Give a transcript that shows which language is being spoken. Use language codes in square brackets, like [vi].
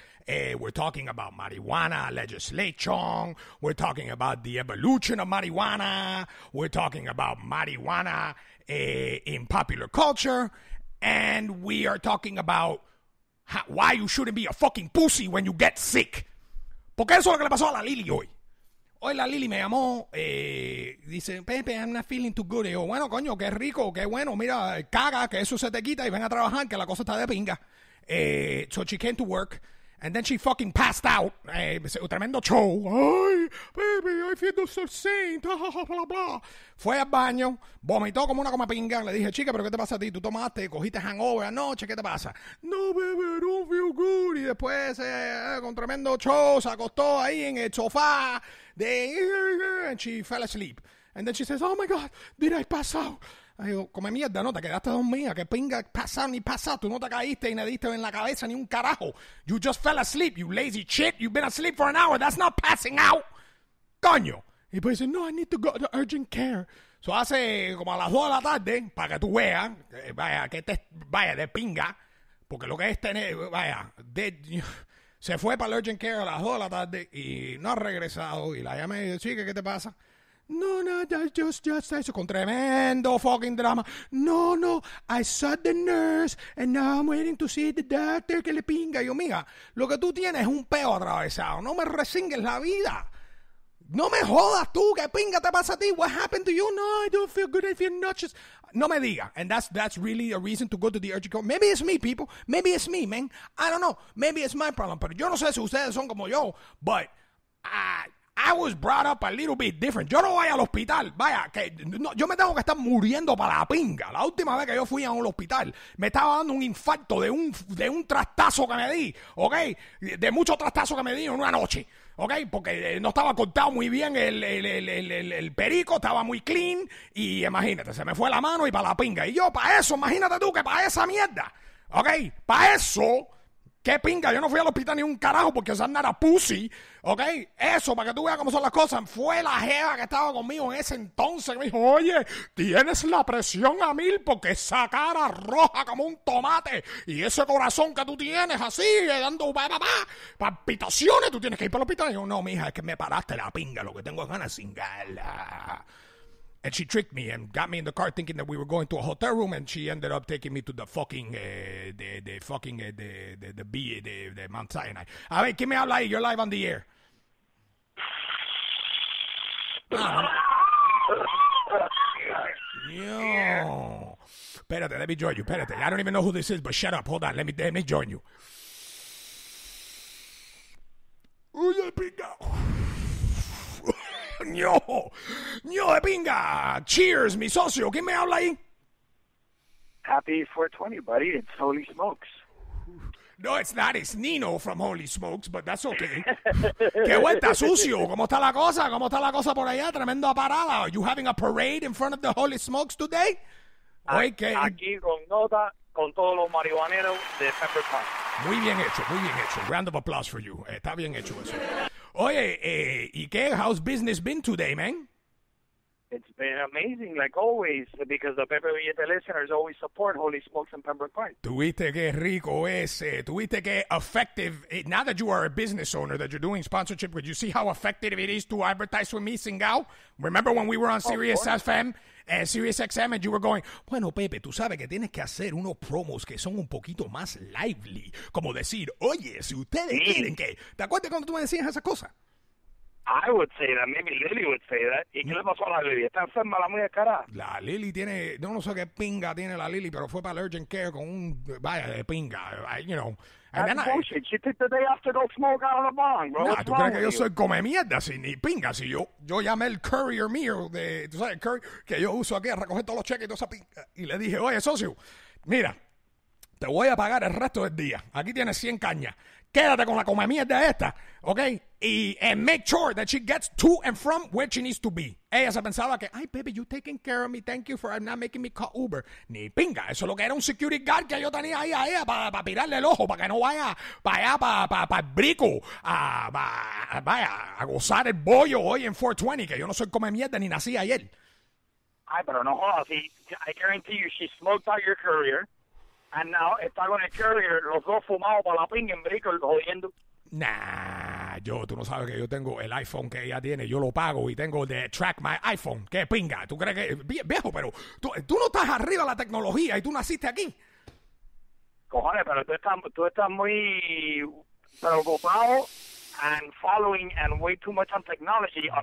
[en] We're talking about marijuana legislation. We're talking about the evolution of marijuana. We're talking about marijuana in popular culture. And we are talking about why you shouldn't be a fucking pussy when you get sick. [es] Porque eso es lo que le pasó a la Lily hoy. Hoy la Lily me llamó, dice, Pepe, [en] I'm not feeling too good. [es] Y yo, bueno, coño, qué rico, qué bueno. Mira, caga, que eso se te quita y ven a trabajar, que la cosa está de pinga. [en] So she came to work. And then she fucking passed out. [es] Tremendo show. [en] Ay, baby, I feel so saint. Blah, blah. [es] Fue al baño. Vomitó como una coma pinga. Le dije, chica, ¿pero qué te pasa a ti? ¿Tú tomaste? ¿Cogiste hangover anoche? ¿Qué te pasa? [en] No, baby, I don't feel good. [es] Y después, con tremendo show, se acostó ahí en el sofá. [en] And she fell asleep. And then she says, oh, my God, did I pass out? [es] Ay, come mierda, no, te quedaste dormida, que pinga, pasado ni pasado, tú no te caíste y no diste en la cabeza ni un carajo. [en] You just fell asleep, you lazy shit, you've been asleep for an hour, that's not passing out. [es] Coño. Y pues dice, no, [en] I need to go to urgent care. [es] So hace como a las 2 de la tarde, para que tú veas, vaya, que te vaya de pinga, porque lo que es tener, vaya, se fue para el urgent care a las 2 de la tarde y no ha regresado. Y la llamé y dice, chica, ¿qué te pasa? No, no, just eso, con tremendo fucking drama. [en] No, no, I saw the nurse, and now I'm waiting to see the doctor, [es] que le pinga. Yo, mija, lo que tú tienes es un peo atravesado. No me resingues la vida. No me jodas tú, que pinga te pasa a ti. [en] What happened to you? No, I don't feel good, I feel nauseous. [es] No me diga. [en] And that's really a reason to go to the urgent care. Maybe it's me, people. Maybe it's me, man. I don't know. Maybe it's my problem. [es] Pero yo no sé si ustedes son como yo, [en] but I was brought up a little bit different. [es] Yo no voy al hospital. Vaya, que no, yo me tengo que estar muriendo para la pinga. La última vez que yo fui a un hospital, me estaba dando un infarto de un trastazo que me di, ¿ok? De mucho trastazo que me di en una noche, ¿ok? Porque no estaba cortado muy bien el perico, estaba muy clean. Y imagínate, se me fue la mano y para la pinga. Y yo, para eso, imagínate tú, que para esa mierda, ¿ok? Para eso... ¿Qué pinga? Yo no fui al hospital ni un carajo porque esa era pussy, ¿ok? Eso, para que tú veas cómo son las cosas. Fue la jeva que estaba conmigo en ese entonces. Me dijo, oye, tienes la presión a 1000 porque esa cara roja como un tomate y ese corazón que tú tienes así, dando palpitaciones, tú tienes que ir para el hospital. Y yo, no, mija, es que me paraste la pinga, lo que tengo es ganas de cingarla. [en] And she tricked me and got me in the car thinking that we were going to a hotel room, and she ended up taking me to the fucking the Mount Sinai. [es] A ver, ¿quién me habla ahí? [en] You're live on the air. Yo. [es] Espérate, [en] let me join you. Espérate. I don't even know who this is, but shut up. Hold on. Let me join you. [es] Uy, el pinga. Ño de pinga. Cheers, mi socio. ¿Quién me habla ahí? [en] Happy 420, buddy. It's Holy Smokes. No, it's not. It's Nino from Holy Smokes, but that's okay. [es] ¿Qué vuelta, sucio? ¿Cómo está la cosa? ¿Cómo está la cosa por allá? Tremendo parada. [en] Are you having a parade in front of the Holy Smokes today? Okay. [es] Aquí con nota, con todos los marihuaneros de Pepper Pot. Muy bien hecho, muy bien hecho. [en] Round of applause for you. [es] Está bien hecho eso. Oye, ¿y qué? [en] How's business been today, man? It's been amazing, like always, because the Pepe Billete listeners always support Holy Smokes and Pembroke Park. [es] Tuviste que rico ese. Tuviste que effective. [en] Now that you are a business owner, that you're doing sponsorship, would you see how effective it is to advertise with me, Singao? Remember when we were on Sirius FM? Sirius XM, and you were going, [es] bueno, Pepe, tú sabes que tienes que hacer unos promos que son un poquito más lively. Como decir, oye, si ustedes quieren que... ¿Te acuerdas cuando tú me decías esa cosa? [en] I would say that. Maybe Lily would say that. [es] ¿Y qué le pasó a la Lily? ¿Está enferma la muy cara? La Lily tiene... Yo no sé qué pinga tiene la Lily, pero fue para el urgent care con un... Vaya, de pinga. [en] You know. And that's bullshit. She took the day off to go smoke out of the bong, bro. [es] Nah, ¿tú crees que [en] you? [es] Yo soy come mierda? Si ni pinga. Si yo, yo llamé el courier mío de... ¿Tú sabes el courier? Que yo uso aquí a recoger todos los cheques y toda esa pinga. Y le dije, oye, socio, mira, te voy a pagar el resto del día. Aquí tienes 100 cañas. Quédate con la come mierda esta, ¿ok? [en] Y and make sure that she gets to and from where she needs to be. [es] Ella se pensaba que, [en] ay, baby, you taking care of me. Thank you for not making me call Uber. [es] Ni pinga. Eso es lo que era un security guard que yo tenía ahí a ella para pa pirarle el ojo, para que no vaya para allá, para pa, pa el brico, vaya a gozar el bollo hoy en 420, que yo no soy come mierda ni nací ayer. Ay, pero no jodas. [en] I guarantee you she smoked out your career. [es] And now, está con el courier, los dos fumados para la pinga en brico, jodiendo. Nah, yo, tú no sabes que yo tengo el iPhone que ella tiene, yo lo pago y tengo de [en] track my iPhone. [es] ¿Qué pinga? ¿Tú crees que viejo, pero tú no estás arriba de la tecnología y tú naciste aquí? [en] Cojones, [es] pero tú estás muy preocupado [en] and following and way too much on technology. On